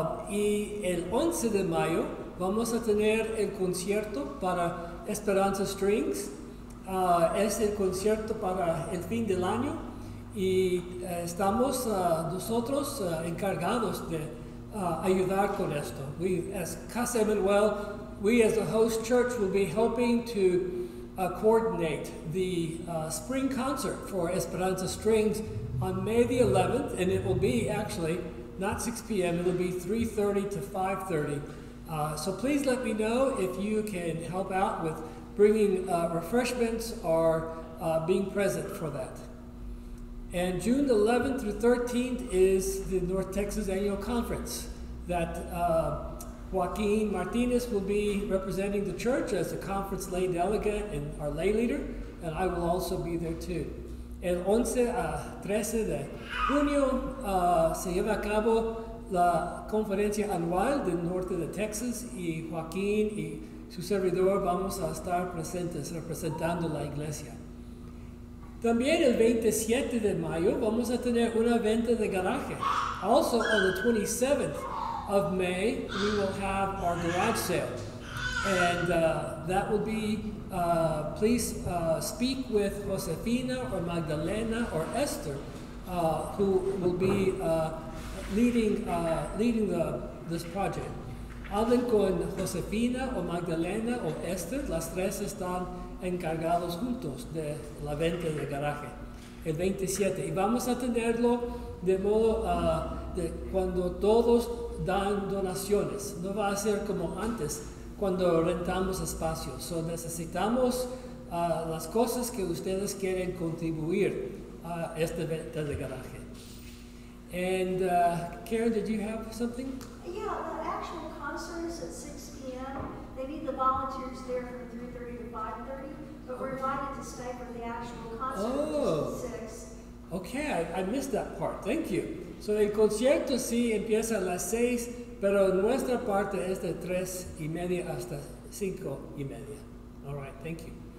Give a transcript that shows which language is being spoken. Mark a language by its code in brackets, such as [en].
[es] Y el 11 de mayo vamos a tener el concierto para Esperanza Strings. Es el concierto para el fin del año. Y estamos nosotros encargados de ayudar con esto. [en] We, as Casa Emanu-El, we as the host church will be helping to coordinate the spring concert for Esperanza Strings on May the 11th, and it will be actually not 6 p.m., it will be 3:30 to 5:30. So please let me know if you can help out with bringing refreshments or being present for that. And June 11th through 13th is the North Texas Annual Conference that Joaquin Martinez will be representing the church as the conference lay delegate and our lay leader, and I will also be there too. [es] El 11 a 13 de junio se lleva a cabo la conferencia anual del norte de Texas, y Joaquin y su servidor vamos a estar presentes representando la iglesia. También el 27 de mayo vamos a tener una venta de garaje. [en] Also on the 27th of May, we will have our garage sale. And that will be, please speak with Josefina or Magdalena or Esther, who will be leading this project. [es] Hablen con Josefina o Magdalena o Esther. Las tres están encargados juntos de la venta del garaje el 27, y vamos a tenerlo de modo de cuando todos dan donaciones. No va a ser como antes cuando rentamos espacios. So necesitamos las cosas que ustedes quieren contribuir a esta venta del garaje. [en] And Karen, did you have something? Yeah, that actual concert is at 6 p.m. They need the volunteers there from 3:30 to 5:30, but we're invited to stay for the actual concert at 6. Okay, I missed that part. Thank you. [es] So el concierto sí empieza a las 6, pero nuestra parte es de 3 y media hasta 5 y media. [en] All right, thank you.